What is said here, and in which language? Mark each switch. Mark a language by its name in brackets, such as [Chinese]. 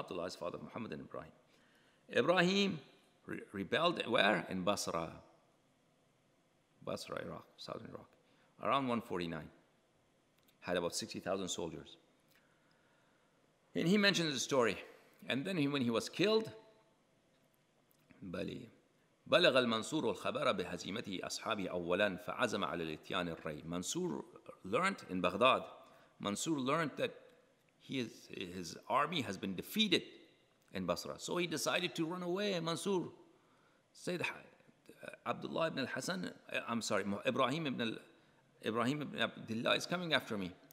[English] Abdullah is father of Muhammad and Ibrahim. Ibrahim rebelled where? In Basra. Basra, Iraq, southern Iraq. Around 149. Had about 60,000 soldiers. And he mentions the story. And then when he was killed, Bali. [Arabic] بلغ المنصور الخبر بهزيمته أصحابه أولا فعزم على الاتيان الري. [English] Mansur learned in Baghdad. Mansur learned that his army has been defeated in Basra. So he decided to run away. Mansur said, Abdullah ibn al-Hassan, I'm sorry, Ibrahim ibn Abdullah is coming after me.